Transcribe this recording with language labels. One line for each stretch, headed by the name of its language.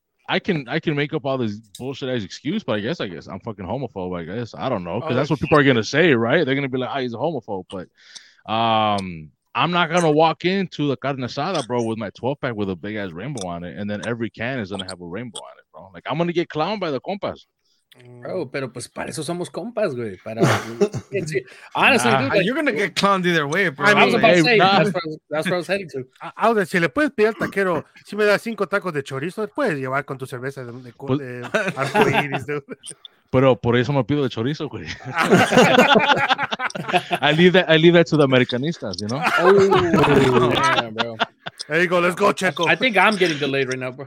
English: I can make up all this bullshit as excuse, but I guess I'm fucking homophobe. I guess I don't know, because that's what people are gonna say, right? They're gonna be like, "Ah, oh, he's a homophobe." But I'm not gonna walk into the carne asada, bro, with my 12 pack with a big ass rainbow on it, and then every can is gonna have a rainbow on it, bro. Like, I'm gonna get clowned by the compas.
Spanish: Oh, pero pues para eso somos compas, güey.
English: Para... Honestly, nah, dude, like, you're gonna get clowned either way, bro. I mean, I was about to say, that's what I was heading to.
Spanish: Ahora, si le puedes pedir al taquero, si me das 5 tacos de chorizo, puedes llevar con tu cerveza de arcoiris, dude. Pero por eso me pido de chorizo, güey.
English: I leave that to the Americanistas, you know? Oh, man, bro. There you go. Let's go, Checo. I think I'm getting delayed right now, bro.